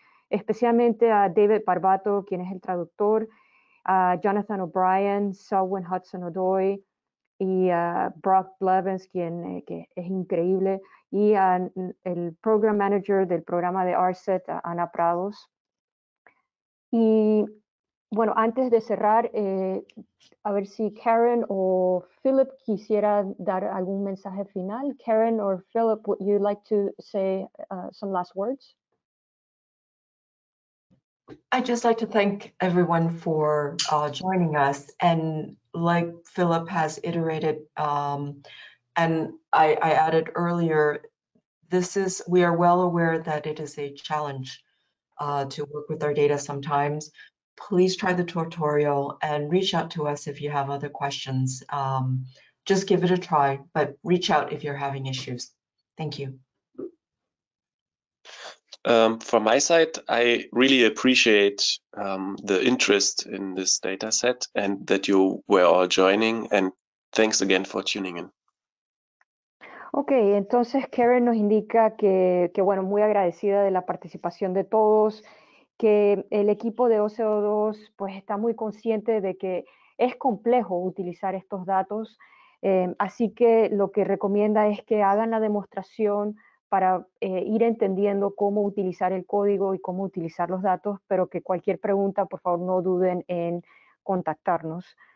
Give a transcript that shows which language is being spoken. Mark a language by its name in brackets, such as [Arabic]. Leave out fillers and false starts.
[Spanish] Especialmente a David Barbato, quien es el traductor, a Jonathan O'Brien, Selwyn Hudson-Odoi, y a Brock Blevins, que es increíble, y al Program Manager del programa de RSET, Ana Prados. Y bueno, antes de cerrar, a ver si Karen o Philip quisiera dar algún mensaje final. [English] Karen o Philip, would you like to say some last words? I'd just like to thank everyone for joining us. And like Philip has iterated, and I added earlier, we are well aware that it is a challenge to work with our data sometimes. Please try the tutorial and reach out to us if you have other questions. Just give it a try, but reach out if you're having issues. Thank you. From my side, I really appreciate the interest in this data set and that you were all joining. And thanks again for tuning in. [Spanish] Ok, entonces Karen nos indica que bueno, muy agradecida de la participación de todos, que el equipo de OCO2 pues está muy consciente de que es complejo utilizar estos datos, así que lo que recomienda es que hagan la demostración para ir entendiendo cómo utilizar el código y cómo utilizar los datos, pero que cualquier pregunta, por favor, no duden en contactarnos.